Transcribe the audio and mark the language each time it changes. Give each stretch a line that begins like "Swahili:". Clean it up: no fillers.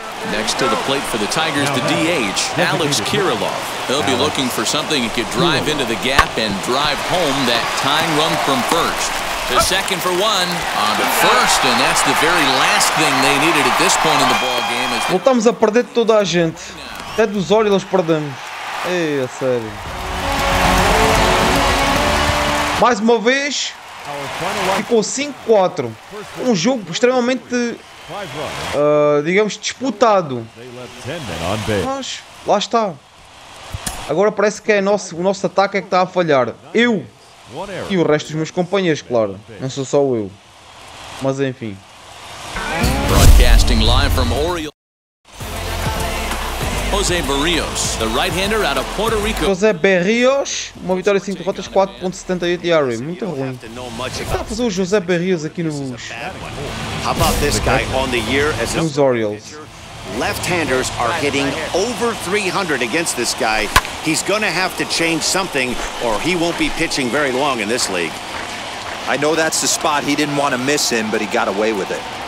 English: Next to the plate for the Tigers, the DH, Alex Kirilov. He'll be looking for something he could drive into the gap and drive home that tying run from first. To second for one, on to first, and that's the very last thing they needed at this point in the ball game.
Portuguese: Voltamos a perder toda a gente. Até dos Orioles perdemos. Ei, a sério. Mais uma vez, ficou 5-4. Um jogo extremamente, digamos, disputado. Mas, lá está. Agora parece que é o nosso ataque é que está a falhar. Eu. E o resto dos meus companheiros, claro. Não sou só eu. Mas enfim.
English: Broadcasting live from Oriole. José Berríos, the right-hander out of Puerto Rico.
Portuguese: José Berríos, uma vitória 5 derrotas, 4.78 ERA, muito ruim. Está a fazer o José Berríos aqui nos.
English: How about this guy on the year as a Orioles? Left-handers are hitting over 300 against this guy. He's going to have to change something or he won't be pitching very long in this league. I know that's the spot he didn't want to miss in, but he got away with it.